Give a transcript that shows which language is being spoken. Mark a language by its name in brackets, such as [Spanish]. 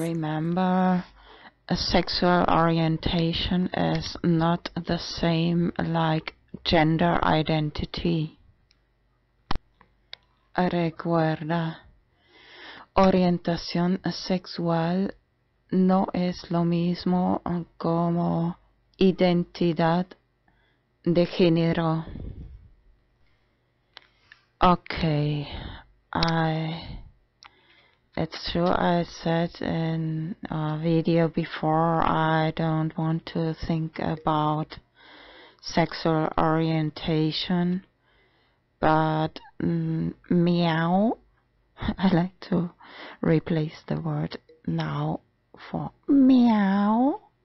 [English] Remember, a sexual orientation is not the same like gender identity. [Spanish] Recuerda, orientación sexual no es lo mismo como identidad de género. [English] Okay, it's true, I said in a video before, I don't want to think about sexual orientation, but meow, I like to replace the word now for meow.